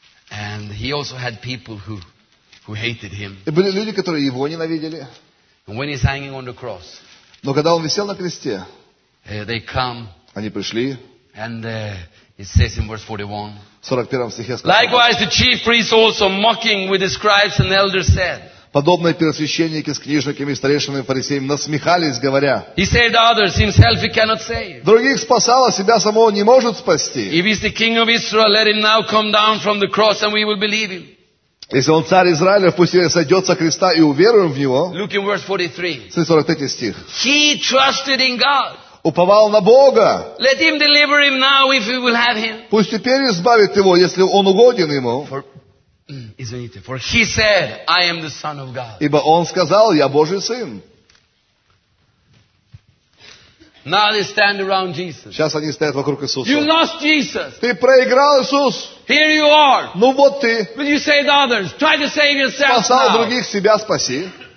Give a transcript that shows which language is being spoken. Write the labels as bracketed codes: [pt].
[en] And he also had people who hated him. [ru] И были люди, которые его ненавидели. [en] And when he's hanging on the cross, [ru] но когда он висел на кресте, [en] they come, [ru] они пришли. [en] And it says in verse 41, [ru] 41 стихе сказано, [en] likewise the chief priests also mocking with the scribes and elders said, [ru] подобные первосвященники с книжниками и старейшинами и фарисеями насмехались, говоря, [en] he saved others, himself he cannot save. [ru] Других спасал, а себя самого не может спасти. [en] If he's the king of Israel, let him now come down from the cross and we will believe him. [ru] Если он царь Израиля, пусть он сойдет со креста и уверуем в него. [en] Look in verse 43. [ru] 43 стих. [en] He trusted in God. [ru] Уповал на Бога. [en] Let him deliver him now if he will have him. [ru] Пусть теперь избавит его, если он угоден ему. Извините. [en] For he said, I am the son of God. [ru] Ибо он сказал, я Божий сын. [en] Now they stand around Jesus. [ru] Сейчас они стоят вокруг Иисуса. [en] You lost Jesus. [ru] Ты проиграл, Иисус. [en] Here you are. [ru] Ну вот ты. [en] But you saved others. Try to save yourself. [ru] Спасал других, себя спаси.